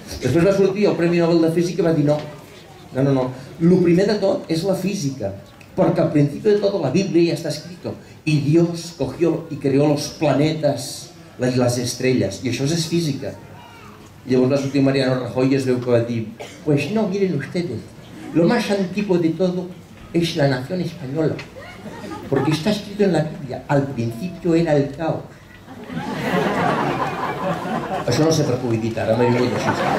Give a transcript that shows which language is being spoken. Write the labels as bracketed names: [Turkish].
[Catalan] Després va sortir el Premi Nobel de Física i va dir no, lo primer de tot és la física, perquè al principi de tot la Biblia ja està [Spanish] escrito y Dios cogió y creó los planetas y las estrellas, [Catalan] i això és física. Llavors va sortir Mariano Rajoy i es veu que va dir, [Spanish] pues no, miren ustedes, lo más antiguo de todo es la nación española, porque está escrito en la Biblia, al principio era el caos. [Catalan] Això no sé per què ho he dit ara, m'he vingut així.